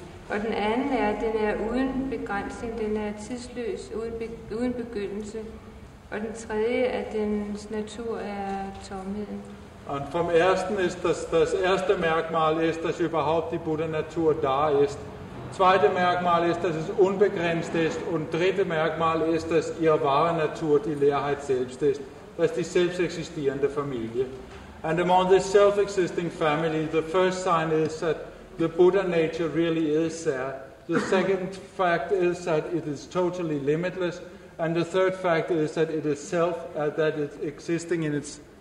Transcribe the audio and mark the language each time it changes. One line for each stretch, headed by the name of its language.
Danish: Og den anden er, at den er uden begrænsning, den er tidsløs, uden begyndelse. Og den tredje, at dens natur er tomheden.
German: Und vom ersten ist das erste Merkmal ist, dass überhaupt die Buddha-Natur da ist. Zweite Merkmal ist, dass es unbegrenzt ist. Und dritte Merkmal ist, dass ihre wahre Natur die Leerheit selbst ist. Das ist die selbst existierende Familie.
English: And among this self-existing family, the first sign is that the Buddha nature really is there. The second fact is that it is totally limitless. And the third fact is that it is self, that it's existing in its...